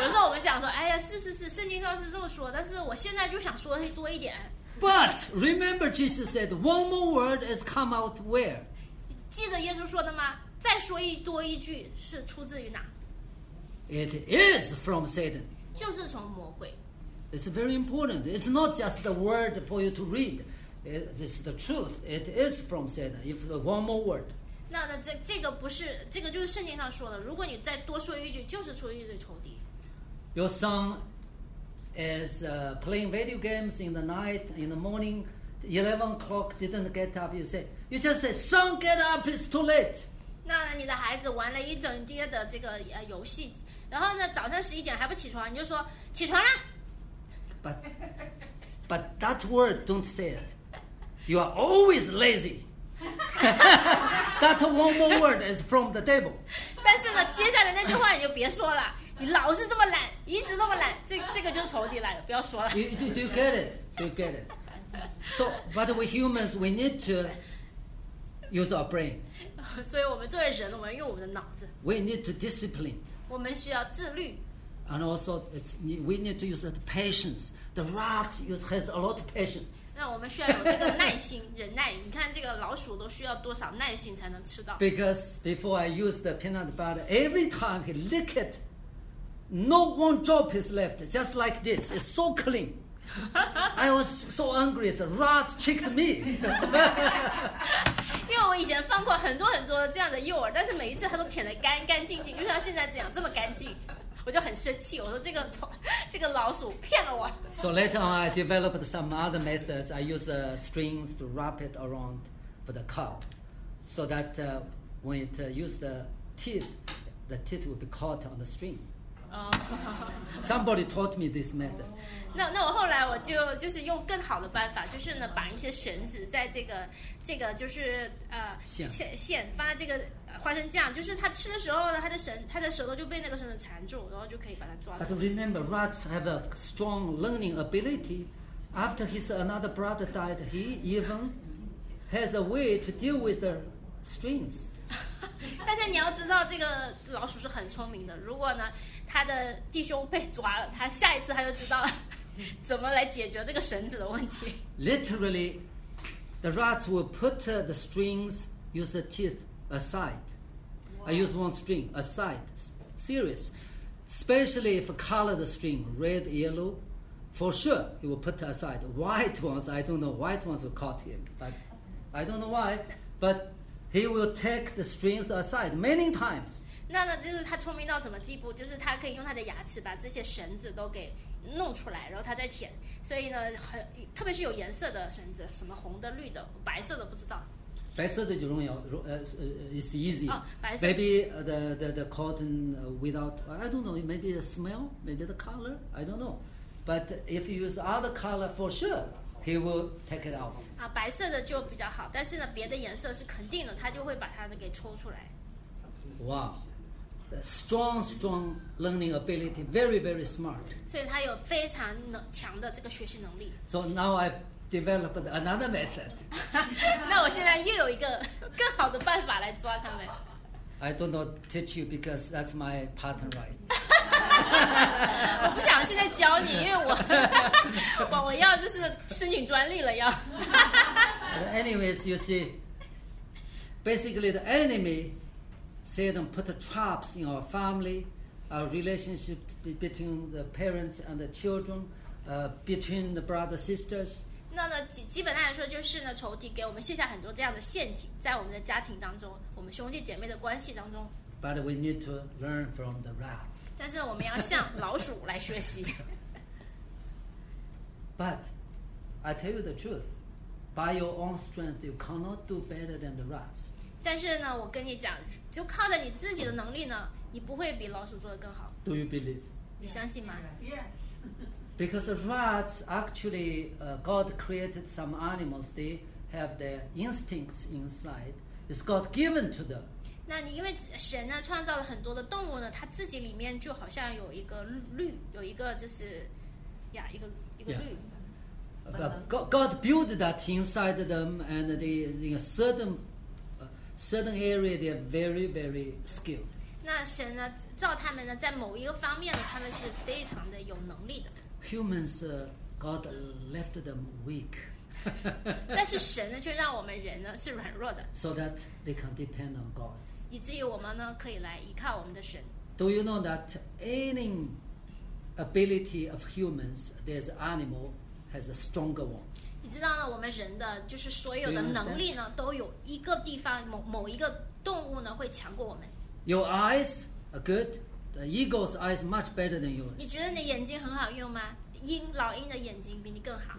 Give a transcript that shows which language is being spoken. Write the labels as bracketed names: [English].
[Chinese] 有时候我们讲说，哎呀，是，圣经上是这么说，但是我现在就想说多一点。 [English] But remember, Jesus said, one more word has come out where. [Chinese] 记得耶稣说的吗？再说多一句是出自于哪 [English] ？It is from Satan. [Chinese] 就是从魔鬼。 [English] It's very important. It's not just the word for you to read. This is the truth. It is from Satan. If one more word, [Chinese] 那这个不是这个就是圣经上说的。如果你再多说一句，就是出于对仇敌。 [English] Your son is playing video games in the night. In the morning, 11 o'clock didn't get up. You just say, "Son, get up! It's too late." [Chinese] 那你的孩子玩了一整天的这个游戏，然后呢，早上11点还不起床，你就说起床了。 [English] But that word, don't say it. You are always lazy. That one more word is from the devil. [Chinese] 但是呢，接下来那句话你就别说了。你老是这么懒，一直这么懒，这个就是仇敌来了，不要说了。 [English] Do you get it? So, but we humans, we need to use our brain. [Chinese] 所以我们作为人，我们用我们的脑子。 [English] We need to discipline. [Chinese] 我们需要自律。 [English] And also, we need to use the patience. The rat has a lot of patience. [Chinese] 那我们需要有这个耐心、忍耐。你看，这个老鼠都需要多少耐心才能吃到 [English] ？Because before I use the peanut butter, every time he lick it, no one drop is left. Just like this, it's so clean. I was so angry. The rat tricked me. [Chinese] 因为我以前放过很多很多这样的诱饵，但是每一次它都舔得干干净净，就像现在这样这么干净。我就很生气，我说这个老鼠骗了我。 [English] So later on, I developed some other methods. I use the strings to wrap it around for the cup, so that when it use the teeth will be caught on the string. Somebody taught me this method. [Chinese] 那我后来我就是用更好的办法，就是呢绑一些绳子在这个就是线放在这个。花生酱就是他吃的时候呢他的舌头就被那个绳子缠住，然后就可以把它抓住。 [English] But remember, rats have a strong learning ability. After his another brother died, he even has a way to deal with the strings. [Chinese] 但是你要知道这个老鼠是很聪明的，如果呢他的弟兄被抓了，他下一次他就知道怎么来解决这个绳子的问题。 [English] Literally, the rats will put the strings, use the teethaside. Wow. I use one string aside. Serious. Especially if I color the string red, yellow, for sure he will put aside. White ones, I don't know, white ones will caught him. But I don't know why, but he will take the strings aside many times. [Chinese] 那呢就是他聪明到什么地步，就是他可以用他的牙齿把这些绳子都给弄出来，然后他再舔。所以呢，特别是有颜色的绳子，什么红的、绿的、白色的，不知道。白色的就容易， [English] it's easy.、 [Chinese] 哦、白色 [English] maybe the cotton without, I don't know, maybe the smell, maybe the color, I don't know. But if you use other color, for sure, he will take it out. [Chinese] 啊，白色的就比较好，但是呢，别的颜色是肯定的，他就会把它给抽出来。 [English] Wow, strong learning ability, very very smart. [Chinese] 所以他有非常强的这个学习能力。 [English] So now I. developed another method. [Chinese] 那我现在又有一个更好的办法来抓他们。 [English] I don't know teach you because that's my pattern, right? [Chinese] 我不想现在教你，因为我要就是申请专利了要。 [English] But anyways, you see, basically the enemy, Satan put traps in our family, our relationship between the parents and the children, between the brothers and sisters. [Chinese] 那呢，基本上来说就是呢，仇敌给我们卸下很多这样的陷阱，在我们的家庭当中，我们兄弟姐妹的关系当中。 [English] But we need to learn from the rats. [Chinese] 但是我们要向老鼠来学习。 [English] But I tell you the truth, by your own strength, you cannot do better than the rats. [Chinese] 但是呢，我跟你讲，就靠着你自己的能力呢，你不会比老鼠做得更好。 [English] Do you believe? [Chinese] 你相信吗 [English] ？Yes. Because the rats actually, God created some animals. They have their instincts inside. It's God given to them. [Chinese] 那你因为神呢创造了很多的动物呢，他自己里面就好像有一个律，有一个就是呀，一个律。 [English] But God built that inside them, and they in a certain area they are very very skilled. [Chinese] 那神呢造他们呢，在某一个方面呢，他们是非常的有能力的。 [English] Humans, God left them weak. [Chinese] 但是神呢，却让我们人呢是软弱的。 [English] So that they can depend on God. [Chinese] 以至于我们呢可以来依靠我们的神。 [English] Do you know that any ability of humans, there's animal has a stronger one. [Chinese] 你知道呢，我们人的就是所有的能力呢，都有一个地方某一个动物呢会强过我们。 [English] Your eyes are good. The eagle's eyes much better than yours. [Chinese] 你觉得你眼睛很好用吗？鹰老鹰的眼睛比你更好。